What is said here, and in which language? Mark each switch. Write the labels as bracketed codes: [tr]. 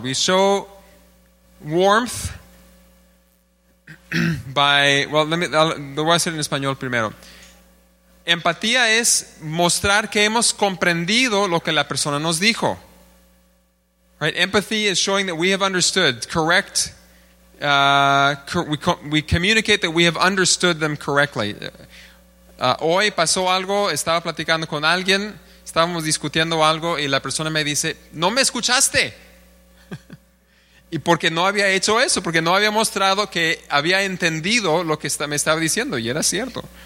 [en] We show warmth. [es] Lo voy a hacer en español primero. Empatía es mostrar que hemos comprendido lo que la persona nos dijo. [en] Right? Empathy is showing that we have understood. Correct. We communicate that we have understood them correctly. [es] Hoy pasó algo. Estaba platicando con alguien. Estábamos discutiendo algo y la persona me dice: no me escuchaste. Y porque no había hecho eso, porque no había mostrado que había entendido lo que me estaba diciendo, y era cierto.